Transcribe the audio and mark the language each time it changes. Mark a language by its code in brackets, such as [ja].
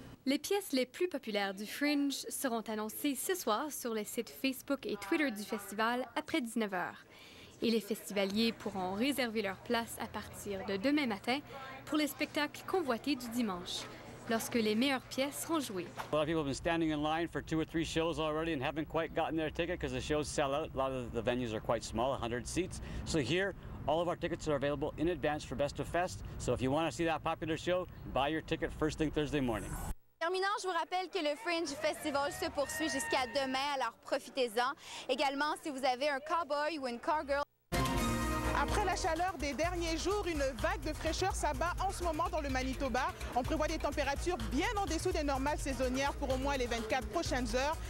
[fr] Les pièces les plus populaires du Fringe seront annoncées ce soir sur les sites Facebook et Twitter du festival après 19h. Et les festivaliers pourront réserver leur place à partir de demain matin pour les spectacles convoités du dimanche. lorsque les meilleures pièces sont jouées. [en] A lot of people have been standing in line for two or three shows already and haven't quite gotten their ticket because the shows sell out. A lot of the venues are quite small, 100 seats. So here, all of our tickets are available in advance for Best of Fest. So if you want to see that popular show, buy your ticket first thing Thursday morning. [fr] Terminant, je vous rappelle que le Fringe Festival se poursuit jusqu'à demain, alors profitez-en. Également, si vous avez un cowboy ou une cowgirl. Après la chaleur des derniers jours, une vague de fraîcheur s'abat en ce moment dans le Manitoba. On prévoit des températures bien en dessous des normales saisonnières pour au moins les 24 prochaines heures.